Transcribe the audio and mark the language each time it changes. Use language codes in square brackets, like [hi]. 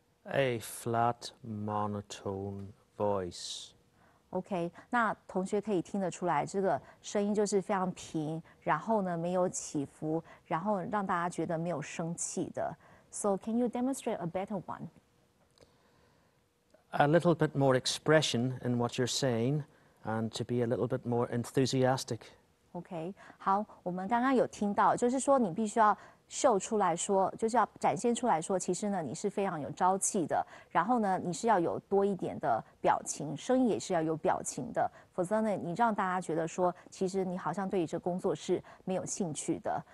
[en] A flat monotone voice. [zh] OK， 那同学可以听得出来，这个声音就是非常平，然后呢没有起伏，然后让大家觉得没有生气的。 [en] So can you demonstrate a better one? A little bit more expression in what you're saying, and to be a little bit more enthusiastic. [zh] OK， 好，我们刚刚有听到，就是说你必须要秀出来说，就是要展现出来说，其实呢你是非常有朝气的，然后呢你是要有多一点的表情，声音也是要有表情的，否则呢你让大家觉得说其实你好像对于这工作是没有兴趣的。